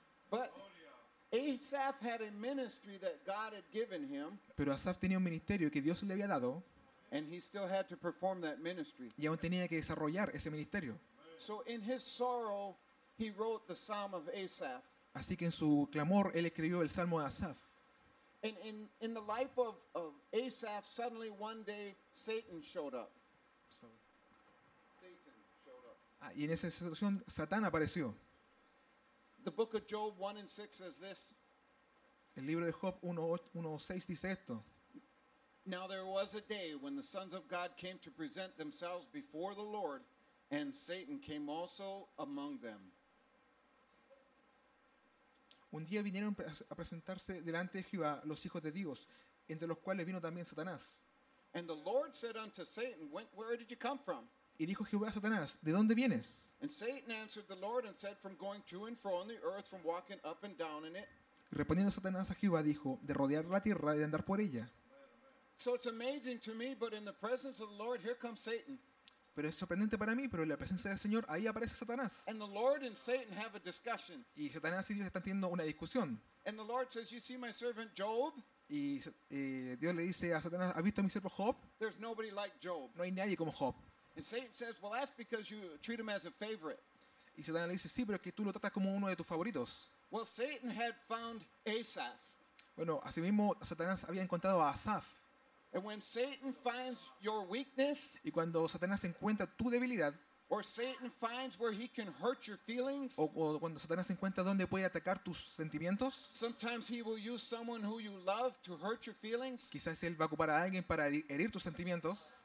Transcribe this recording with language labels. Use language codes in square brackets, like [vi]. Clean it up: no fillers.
[en] But Asaph had a ministry that God had given him. [es] Pero Asaf tenía un ministerio que Dios le había dado. [en] And he still had to perform that ministry. [es] Y aún tenía que desarrollar ese ministerio. [en] So in his sorrow, he wrote the Psalm of Asaph. [es] Así que en su clamor él escribió el Salmo de Asaf. [en] And in the life of Asaph, suddenly one day Satan showed up. [es] Y en esa situación Satán apareció. [en] The book of Job 1:6 says this. [es] El libro de Job 1:6 dice esto. [en] Now there was a day when the sons of God came to present themselves before the Lord, and Satan came also among them. [es] Un día vinieron a presentarse delante de Jehová los hijos de Dios, entre los cuales vino también Satanás. [en] And the Lord said unto Satan, where did you come from? [es] Y dijo Jehová a Satanás, ¿de dónde vienes? [en] And Satan answered the Lord and said, from going to and fro on the earth, from walking up and down in it. [es] Respondiendo Satanás a Jehová dijo, de rodear la tierra y de andar por ella. [en] So it's amazing to me, but in the presence of the Lord, here comes Satan. [es] Pero es sorprendente para mí, pero en la presencia del Señor ahí aparece Satanás. [en] And the Lord and Satan have a discussion. [es] Y Satanás y Dios están teniendo una discusión. [en] And the Lord says, "You see my servant Job?" [es] Y Dios le dice a Satanás, ¿has visto a mi siervo Job? [en] There's nobody like Job. [es] No hay nadie como Job. [en] And Satan says, "Well, that's because you treat him as a favorite." [es] Y Satanás le dice, sí, pero es que tú lo tratas como uno de tus favoritos. [en] Well, Satan had found Asaph. [es] Bueno, asimismo, Satanás había encontrado a Asaph. [en] And when Satan finds your weakness, [es] y cuando Satanás encuentra tu debilidad, [en] or Satan finds where he can hurt your feelings, [es] o cuando Satanás encuentra dónde puede atacar tus sentimientos, [en] sometimes he will use someone who you love to hurt your feelings. [es] Quizás él va a ocupar a alguien para herir tus sentimientos.